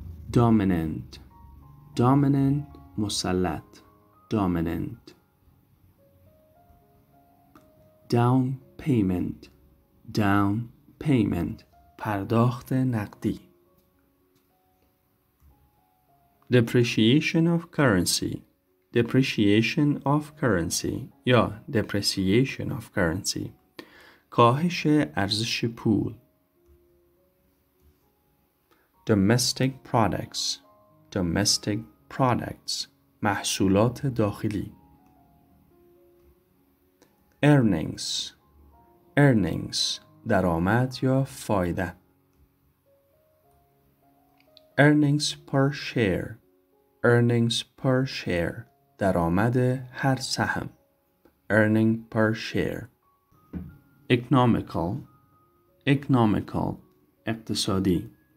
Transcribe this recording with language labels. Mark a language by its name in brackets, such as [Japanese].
[English] dominant. dominant [Persian] مسلط. [English] dominant. down payment. down payment [Persian] پرداخت نقدی. [English] depreciation of currency. depreciation of currency یا depreciation of currency [Persian] کاهش ارزش پول. [English] domestic products. domestic products [Persian] محصولات داخلی. [English] earnings. earnings [Persian] درآمد یا فایده. [English] Earnings per share. Earnings per share. [Persian] درآمد هر سهم. [English] Earning per share. Economical. Economical. [Persian] اقتصادی.